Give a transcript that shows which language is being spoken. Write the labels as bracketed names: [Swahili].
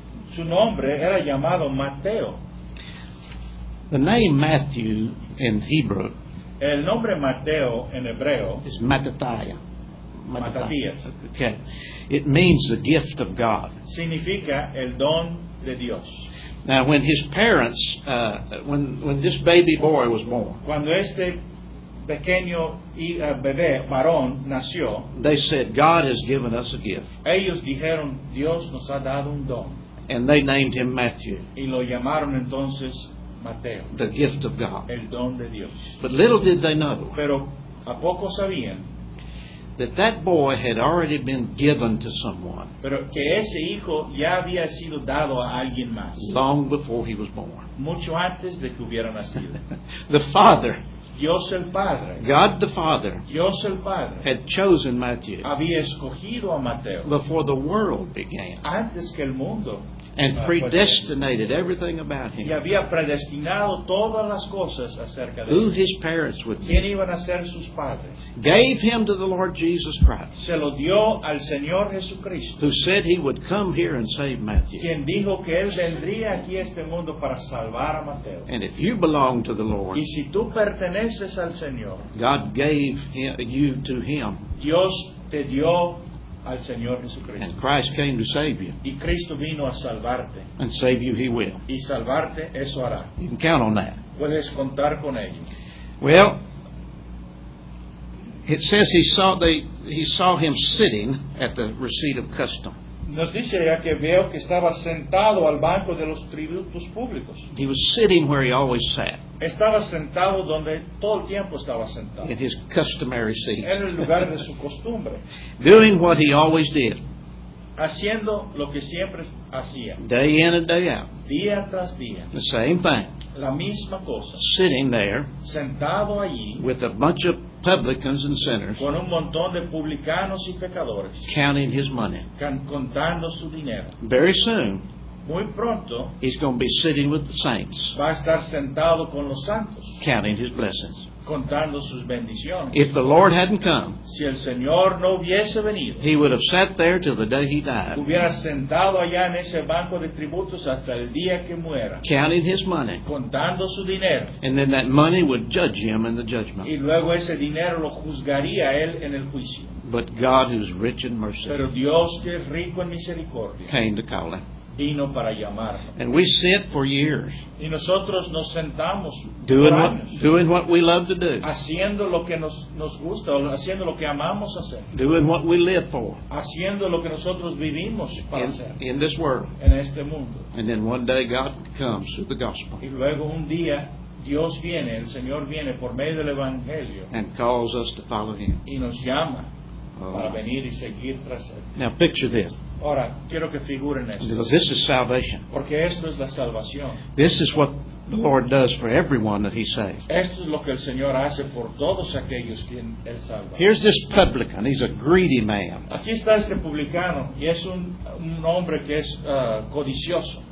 [Spanish] Su nombre era llamado Mateo. [English] The name Matthew in Hebrew, [Spanish] el nombre Mateo en hebreo, [English] is Matatiah. [Spanish] Matatías. [English] Okay. It means the gift of God. [Spanish] Significa el don de Dios. [English] Now when his parents, when this baby boy was born, [Spanish] cuando pequeño bebé varón nació. [English] They said, God has given us a gift. [Spanish] Ellos dijeron, Dios nos ha dado un don. [English] And they named him Matthew. [Spanish] Y lo llamaron entonces Mateo. [English] The gift of God. [Spanish] El don de Dios. [English] But little did they know. [Spanish] Pero a poco sabían. [English] That boy had already been given to someone. [Spanish] Pero que ese hijo ya había sido dado a alguien más. [English] Long before he was born. [Spanish] Mucho antes de que hubiera nacido. [English] The father. [Spanish] Dios el Padre. [English] God the Father. [Spanish] Dios el Padre. [English] Had chosen Matthew. [Spanish] Había escogido a Mateo. [English] Before the world began. [Spanish] Antes que el mundo. [English] and predestinated everything about him. [Spanish] Y había predestinado todas las cosas acerca de [English] who his parents would be. [Spanish] ¿Quién iban a ser sus padres? [English] Gave him to the Lord Jesus Christ. [Spanish] Se lo dio al Señor Jesucristo. [English] Who said he would come here and save Matthew. [Spanish] Quien dijo que él vendría aquí a este mundo para salvar a Mateo. [English] And if you belong to the Lord, [Spanish] y si tú perteneces al Señor, [English] God gave him, you to him. [Spanish] Dios te dio al Señor Jesucristo. [English] And Christ came to save you. [Spanish] Y Cristo vino a salvarte. [English] And save you he will. [Spanish] Y salvarte, eso hará. [English] You can count on that. [Spanish] Puedes contar con ello. [English] Well, it says he saw him sitting at the receipt of custom. [Spanish] Nos dice que veo que estaba sentado al banco de los tributos públicos. [English] He was sitting where he always sat. [Spanish] Estaba sentado donde todo el tiempo estaba sentado. [English] In his customary seat. [Spanish] En el lugar de su costumbre. [English] Doing what he always did. [Spanish] Haciendo lo que siempre hacía. [English] Day in and day out. [Spanish] Día tras día. [English] The same thing. [Spanish] La misma cosa. [English] Sitting there. [Spanish] Sentado allí. [English] With a bunch of publicans and sinners. [Spanish] Con un montón de publicanos y pecadores. [English] Counting his money. [Spanish] Contando su dinero. [English] Very soon. [Spanish] Muy pronto. [English] He's going to be sitting with the saints. [Spanish] Va a estar sentado con los santos. [English] Counting his blessings. [Spanish] Contando sus bendiciones. [English] If the Lord hadn't come, [Spanish] si el Señor no hubiese venido, [English] he would have sat there till the day he died. [Spanish] Hubiera sentado allá en ese banco de tributos hasta el día que muera. [English] Counting his money. [Spanish] Contando su dinero. [English] And then that money would judge him in the judgment. [Spanish] Y luego ese dinero lo juzgaría él en el juicio. [English] But God, who is rich in mercy, [Spanish] pero Dios que es rico en misericordia, [English] came to call him. [Spanish] Vino para llamar. [English] And we sit for years. [Spanish] Y nosotros nos sentamos [English] doing what we love to do. [Spanish] Haciendo lo que nos gusta, haciendo lo que amamos hacer. [English] Doing what we live for. [Spanish] Haciendo lo que nosotros vivimos para hacer. [English] In this world. [Spanish] En este mundo. [English] And then one day God comes with the gospel. [Spanish] Y luego un día Dios viene, el Señor viene por medio del evangelio. [English] And calls us to follow him. [Spanish] Y nos llama para venir y seguir tras él. [English] Now picture this. [Spanish] Ahora, quiero que figuren esto. [English] Because this is salvation. [Spanish] Porque esto es la salvación. [English] This is what the Lord does for everyone that he saves. [Spanish] Esto es lo que el Señor hace por todos aquellos quien él salva. [English] Here's this publican. He's a greedy man. [Spanish] Aquí está este publicano y es un hombre que es codicioso.